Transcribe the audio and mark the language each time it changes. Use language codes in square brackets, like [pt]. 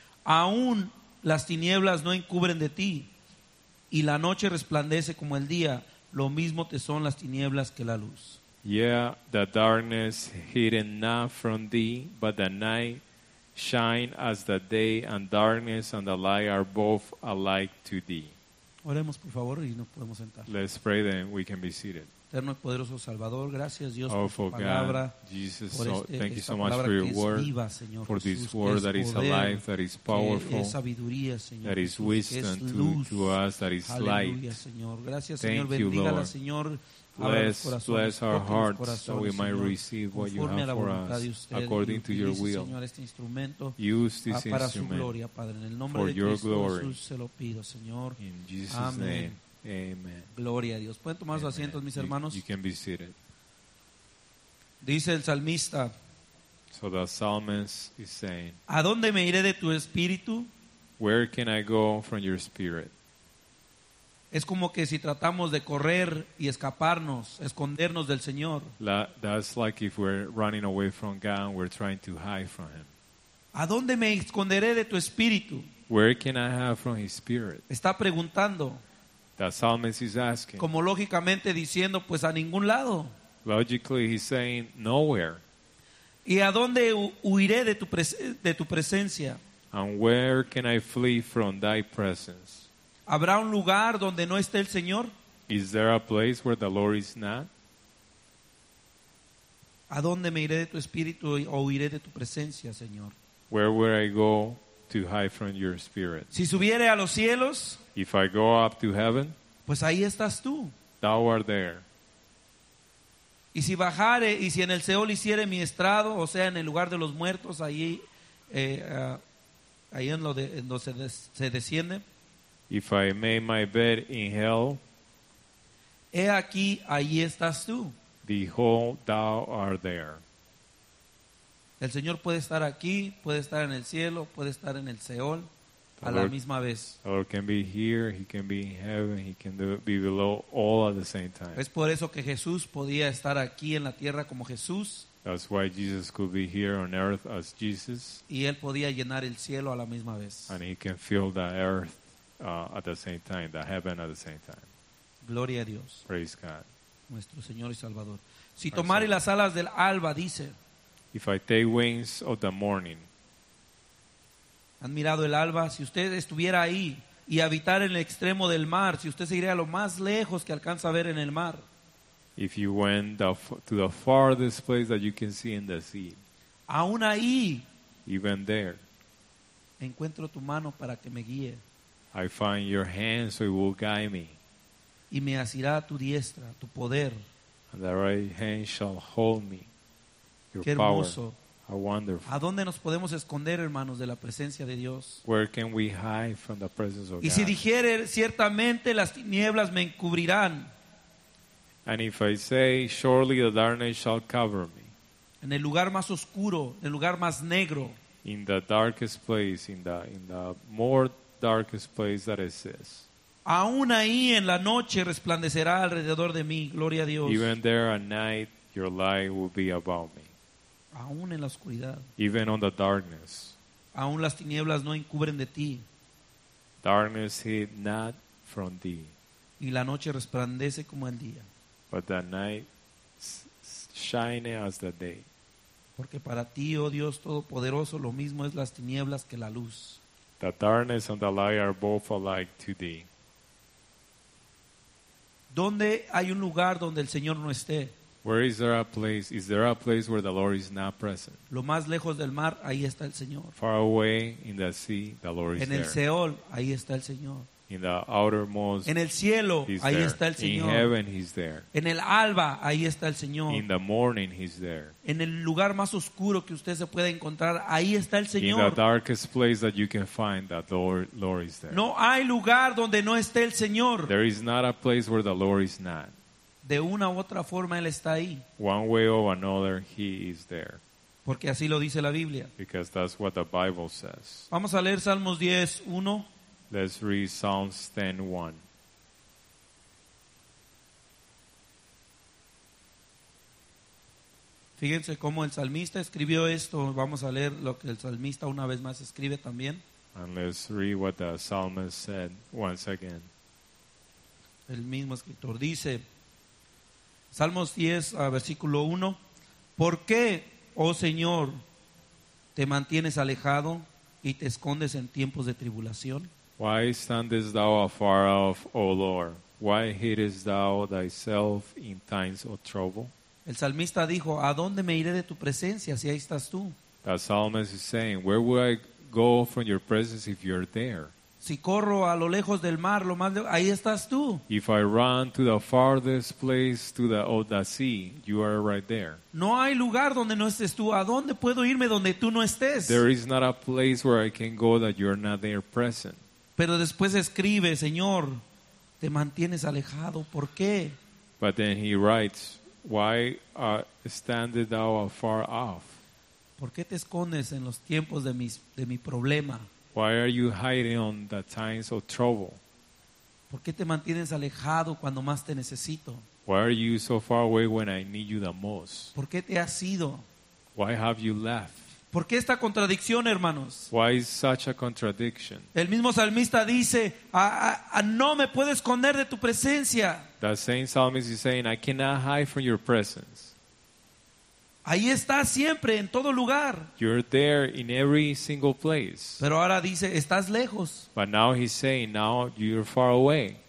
[es] Aún las tinieblas no encubren de ti, y la noche resplandece como el día, lo mismo te son las tinieblas que la luz. [en] Yeah, the darkness hidden not from thee, but the night shine as the day, and darkness and the light are both alike to thee. [es] Oremos, por favor, y nos podemos sentar. [en] Let's pray, then we can be seated. [es] Eterno y poderoso Salvador, gracias Dios por tu palabra. [en] Jesus, thank you so much for your word. [es] Viva, Señor, [en] for [es] Jesús, [en] this word that is alive, that is powerful, [es] es sabiduría, Señor, [en] that is wisdom, [es] Jesús, que es luz, [en] to us, that is light. [es] Señor. Gracias, Señor. Bendígala, Señor. [en] Bless our hearts so we might receive what you have for us according to your will. Use this instrument for your glory. In Jesus' name. Amen. [es] Gloria a Dios. Pueden tomar sus asientos, mis hermanos. [en] You can be seated. [es] Dice el salmista. [en] So the psalmist is saying. [es] ¿A dónde me iré de tu espíritu? [en] Where can I go from your spirit? [es] Es como que si tratamos de correr y escaparnos, escondernos del Señor. [en] That's like if we're running away from God and we're trying to hide from Him. [es] ¿A dónde me esconderé de tu espíritu? [en] Where can I hide from His spirit? [es] Está preguntando. [en] The psalmist is asking. [es] Como lógicamente diciendo, pues a ningún lado. [en] Logically, he's saying nowhere. [es] ¿Y a dónde huiré de tu presencia? [en] And where can I flee from thy presence? [es] ¿Habrá un lugar donde no esté el Señor? [en] Is there a place where the Lord is not? [es] ¿A dónde me iré de tu espíritu o huiré de tu presencia, Señor? [en] Where will I go to hide from your spirit? [es] Si subiere a los cielos. [en] If I go up to heaven, [es] pues ahí estás tú. [en] Thou art there. [es] Y si bajare, y si en el Seol hiciere mi estrado, o sea, en el lugar de los muertos, ahí, ahí en lo de en donde se desciende. [en] If I made my bed in hell, [es] he aquí, ahí estás tú. [en] Behold, thou art there. [es] El Señor puede estar aquí, puede estar en el cielo, puede estar en el Seol. A la misma vez. [en] The Lord can be here, he can be in heaven, he can be below, all at the same time. [es] Es por eso que Jesús podía estar aquí en la tierra como Jesús. [en] That's why Jesus could be here on earth as Jesus. [es] Y él podía llenar el cielo a la misma vez. [en] And he can fill the earth at the same time, the heaven at the same time. [es] Gloria a Dios. [en] Praise God. [es] Nuestro Señor y Salvador. Si tomare las alas del alba, dice. [en] If I take wings of the morning. [es] ¿Han mirado el alba? Si usted estuviera ahí y habitar en el extremo del mar, si usted se iría a lo más lejos que alcanza a ver en el mar. [en] If you went to the farthest place that you can see in the sea. [es] Aún ahí. [en] Even there. [es] Encuentro tu mano para que me guíe. [en] I find your hand so it will guide me. [es] Y me asirá tu diestra, tu poder. [en] And the right hand shall hold me. Your [es] Qué hermoso. [en] Power. How wonderful. [es] ¿A dónde nos podemos esconder, hermanos, de la presencia de Dios? [en] Where can we hide from the presence of God? [es] Y si dijere, ciertamente las tinieblas me encubrirán. [en] And if I say, surely the darkness shall cover me. [es] En el lugar más oscuro, en el lugar más negro. [en] In the darkest place, in the more darkest place that exists. [es] Aún ahí en la noche resplandecerá alrededor de mí, gloria a Dios. [en] Even there at night, your light will be about me. [es] Aún en la oscuridad. [en] Even on the darkness. [es] Aún las tinieblas no encubren de ti. [en] Darkness hid not from thee. [es] Y la noche resplandece como el día. [en] But the night shine as the day. [es] Porque para ti, oh Dios Todopoderoso, lo mismo es las tinieblas que la luz. [en] The darkness and the light are both alike to thee. [es] ¿Dónde hay un lugar donde el Señor no esté? [en] Where is there a place? Is there a place where the Lord is not present? [es] Lo más lejos del mar, ahí está el Señor. [en] Far away in the sea, the Lord is there. [es] En el Seol, ahí está el Señor. [en] In the outermost, [es] en el cielo, [en] he's [es] ahí [en] there. [es] Está el Señor. [en] In heaven, he's there. [es] En el alba, ahí está el Señor. [en] In the morning, he's there. [es] En el lugar más oscuro que usted se pueda encontrar, ahí está el Señor. [en] In the darkest place that you can find, that the Lord is there. [es] No hay lugar donde no esté el Señor. [en] There is not a place where the Lord is not. [es] De una u otra forma, él está ahí. [en] One way or another, he is there. [es] Porque así lo dice la Biblia. [en] Because that's what the Bible says. [es] Vamos a leer Salmos 10, 1. [en] Let's read Psalms 10:1. [es] Fíjense cómo el salmista escribió esto. Vamos a leer lo que el salmista una vez más escribe también. [en] And let's read what the psalmist said once again. [es] El mismo escritor dice, Salmos 10, versículo 1. ¿Por qué, oh Señor, te mantienes alejado y te escondes en tiempos de tribulación? [en] Why standest thou afar off, O Lord? Why hidest thou thyself in times of trouble? [es] El salmista dijo, ¿a dónde me iré de tu presencia si ahí estás tú? [en] The psalmist is saying, where will I go from your presence if you're there? [es] Si corro a lo lejos del mar, lo más ahí estás tú. [en] If I run to the farthest place to the of the sea, you are right there. [es] No hay lugar donde no estés tú. ¿A dónde puedo irme donde tú no estés? [en] There is not a place where I can go that you're not there present. [es] Pero después escribe, Señor, te mantienes alejado. ¿Por qué? [en] But then he writes, why standest thou afar off? [es] ¿Por qué te escondes en los tiempos de mi problema? [en] Why are you hiding on the times of trouble? [es] ¿Por qué te mantienes alejado cuando más te necesito? [en] Why are you so far away when I need you the most? [es] ¿Por qué te has ido? [en] Why have you left? [es] ¿Por qué esta contradicción, hermanos? [en] Why is such a contradiction? [es] El mismo salmista dice, no me puedo esconder de tu presencia. [en] The same psalmist is saying, I cannot hide from your presence. [es] Ahí estás siempre, en todo lugar. [en] You're there in every single place. [es] Pero ahora dice, estás lejos. [en] But now he's saying, now you're far away.